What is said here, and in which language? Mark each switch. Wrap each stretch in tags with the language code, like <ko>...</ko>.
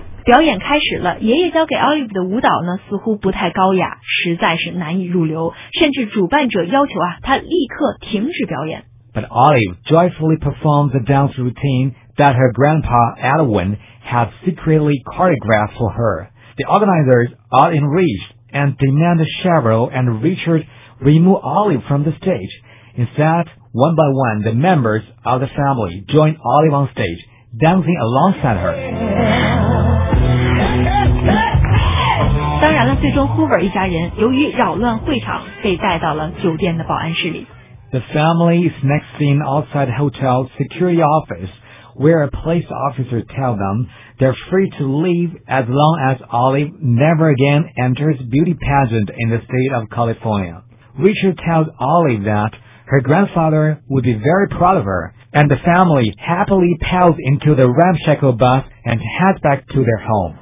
<zh>表演开始了，爷爷教给 Olive 的舞蹈呢，似乎不太高雅，实在是难以入流，甚至主办者要求啊，他立刻停止表演。</zh> <en>But Olive joyfully performs the dance routine that her grandpa, Edwin, had secretly choreographed for her. The organizers are enraged and demand Cheryl and Richard remove Olive from the stage. Instead, one by one, the members of the family join Olive on stage, dancing alongside her.</en> <zh>当然了，最终 Hoover 一家人由于扰乱会场被带到了酒店的保安室里。</zh> <en>The family is next seen outside the hotel's security office, where a police officer tells them they're free to leave as long as Olive never again enters beauty pageant in the state of California. Richard tells Olive that her grandfather would be very proud of her, and the family happily piles into the ramshackle bus and heads back to their home.</en>